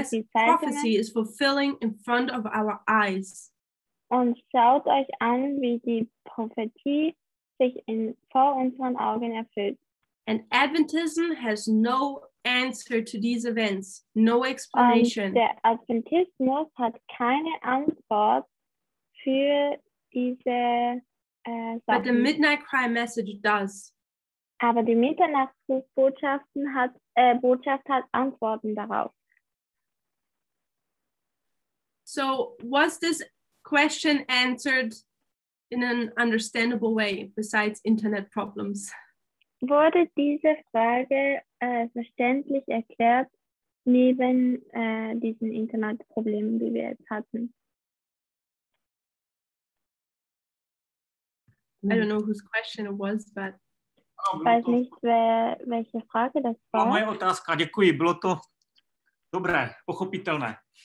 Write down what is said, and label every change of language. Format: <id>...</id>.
<en>prophecy is fulfilling in front of our eyes.</en> <de>Und schaut euch an, wie die Prophetie sich in vor unseren Augen erfüllt.</de> <en>And Adventism has no answer to these events, no explanation.</en> <de>Und der Adventismus hat keine Antwort für diese Sachen.</de> <en>But the Midnight Cry message does.</en> <de>Aber die Mitternachtsbotschaften hat Botschaft hat Antworten darauf.</de> <en>So was this question answered in an understandable way besides internet problems?</en> <de>Wurde diese Frage verständlich erklärt neben diesen Internetproblemen, die wir jetzt hatten?</de> <en>I don't know whose question it was, but</en> <de>ich weiß nicht, welche Frage das war.</de> <cs>Moje otázka, děkuji, bylo to dobré, pochopitelné.</cs>